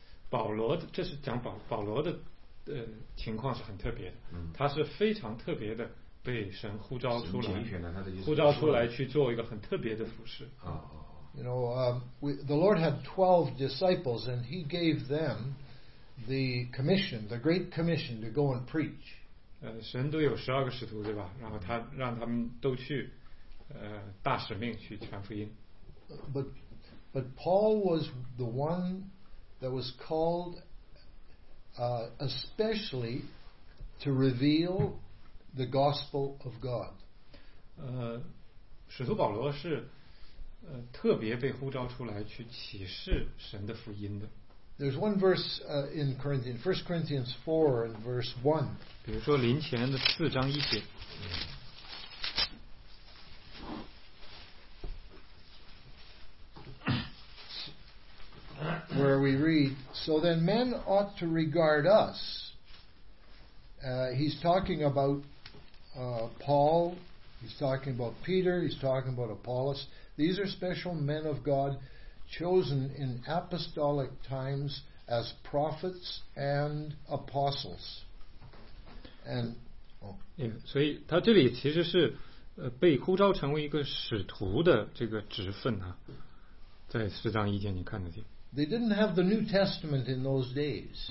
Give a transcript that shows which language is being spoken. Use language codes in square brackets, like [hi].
[zh] 保罗的这是讲保罗的情况是很特别的，他是非常特别的。被神呼召出来，呼召出来去做一个很特别的服事。 [en] You know, the Lord had 12 disciples, and He gave them the commission, the great commission, to go and preach. [zh] 神都有十二个使徒，对吧？然后他让他们都去，大使命去传福音。 [en] But Paul was the one that was called especially to reveal the gospel of God. [zh] 使徒保罗是特别被呼召出来去启示神的福音的。 [en] There's one verse in Corinthians, 1 Corinthians 4 and verse 1. [zh] 比如说林前的四章一节。 [en] Where we read, so then men ought to regard us. He's talking about Paul, he's talking about Peter, he's talking about Apollos. These are special men of God. Chosen in apostolic times as prophets and apostles. And, oh. [zh] Yeah, 所以他这里其实是被呼召成为一个使徒的这个职分啊，在四章一节你看得见。 [en] They didn't have the New Testament in those days.